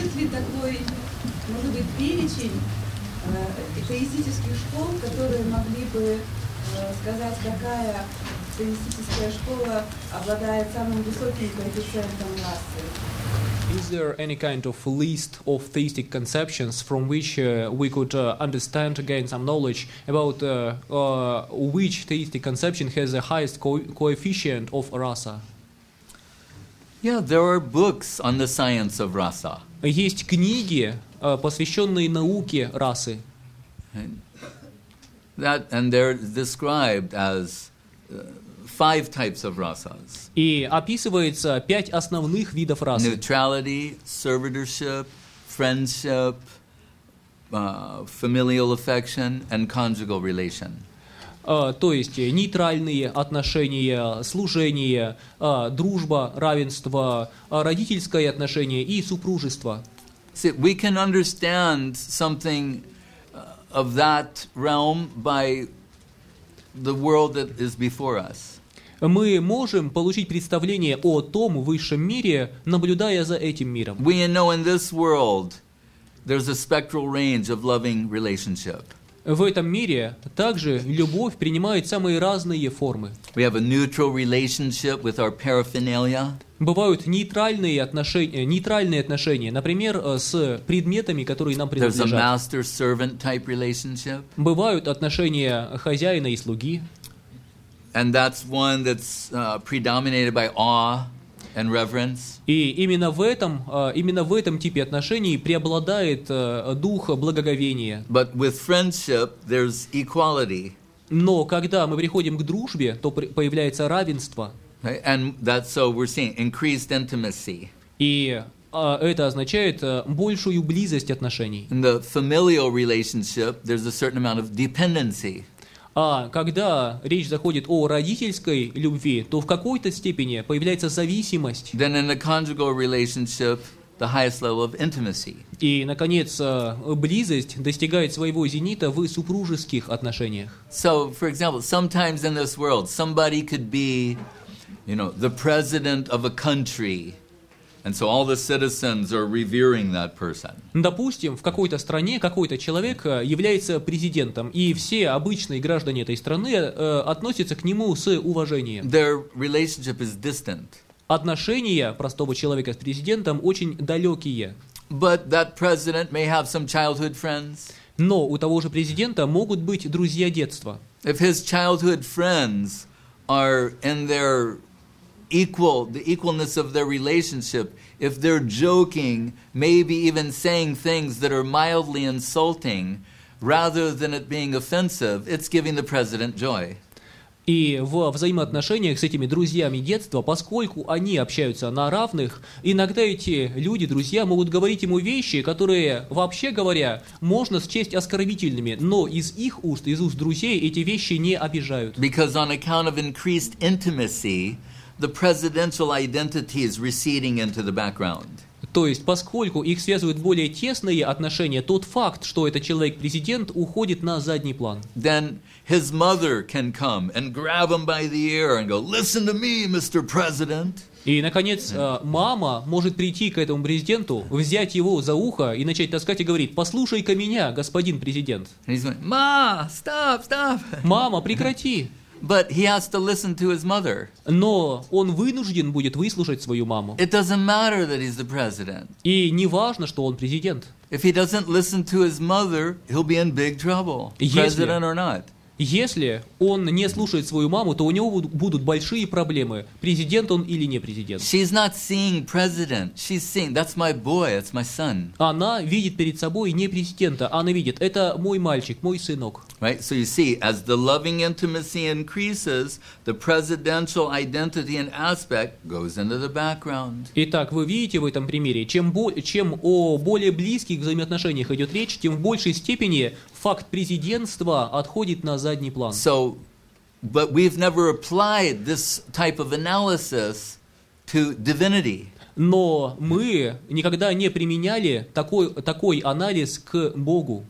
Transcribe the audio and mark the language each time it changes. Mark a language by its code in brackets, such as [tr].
[ru] такой, может быть, перечень теистических школ, которые могли бы сказать, какая теистическая школа обладает самым высоким коэффициентом расы? [en] Is there any kind of list of theistic conceptions from which we could understand, gain some knowledge about which theistic conception has the highest coefficient of rasa? Yeah, there are books on the science of rasa. [ru] Есть книги, посвященные науке расы. [en] That and they're described as five types of rasas. [ru] И описывается пять основных видов расы. [en] Neutrality, servitorship, friendship, familial affection, and conjugal relation. [ru] То есть нейтральные отношения, служение, дружба, равенство, родительское отношение и супружество. [en] See, we can understand something of that realm by the world that is before us. [ru] Мы можем получить представление о том высшем мире, наблюдая за этим миром. [en] We know in this world there's a spectral range of loving relationship. [ru] В этом мире также любовь принимает самые разные формы. [en] We have a neutral relationship with our paraphernalia. [ru] Бывают нейтральные отношения, например, с предметами, которые нам принадлежат. [en] There's a master-servant type relationship. [ru] Бывают отношения хозяина и слуги. [en] And that's one that's predominated by awe and reverence. [ru] И именно в этом типе отношений преобладает дух благоговения. [en] But with friendship, there's equality. [ru] Но когда мы приходим к дружбе, то появляется равенство. [en] And that's so we're seeing increased intimacy. [ru] И это означает большую близость отношений. [en] In the familial relationship, there's a certain amount of dependency. [ru] А когда речь заходит о родительской любви, то в какой-то степени появляется зависимость. [en] Then in the conjugal relationship, the highest level of intimacy. [ru] И, наконец, близость достигает своего зенита в супружеских отношениях. [en] So, for example, sometimes in this world, somebody could be, you know, the president of a country. And so all the citizens are revering that person. [ru] Допустим, в какой-то стране какой-то человек является президентом, и все обычные граждане этой страны относятся к нему с уважением. [en] Their relationship is distant. [ru] Отношения простого человека с президентом очень далекие. [en] But that president may have some childhood friends. [ru] Но у того же президента могут быть друзья детства. [en] If his childhood friends are in their equal, the equalness of their relationship, if they're joking, maybe even saying things that are mildly insulting, rather than it being offensive, it's giving the president joy. [ru] И в взаимоотношениях с этими друзьями детства, поскольку они общаются на равных, иногда эти люди, друзья, могут говорить ему вещи, которые, вообще говоря, можно счесть оскорбительными, но из их уст, из уст друзей, эти вещи не обижают. [en] Because on account of increased intimacy, the presidential identity is receding into the background. [ru] То есть, поскольку их связывают более тесные отношения, тот факт, что этот человек президент, уходит на задний план. [en] Then his mother can come and grab him by the ear and go, "Listen to me, Mr. President." [ru] И, наконец, мама может прийти к этому президенту, взять его за ухо и начать таскать и говорить, "Послушай-ка меня, господин президент." [en] And he's like, "Ma, stop, stop." [ru] Мама, прекрати. [en] But he has to listen to his mother. [ru] Но он вынужден будет выслушать свою маму. [en] It doesn't matter that he's the president. [ru] И не важно, что он президент. [en] If he doesn't listen to his mother, he'll be in big trouble, president or not. [ru] Если он не слушает свою маму, то у него будут большие проблемы, президент он или не президент. [en] She's not seeing president. She's seeing, that's my boy, that's my son. [ru] Она видит перед собой не президента, она видит, это мой мальчик, мой сынок. [en] Right, so you see, as the loving intimacy increases, the presidential identity and aspect goes into the background. [ru] Итак, вы видите в этом примере, чем о более близких взаимоотношениях идет речь, тем в большей степени факт президентства отходит на задний план. [en] So, but we've never applied this type of analysis to divinity. [ru] Но мы никогда не применяли такой анализ к Богу.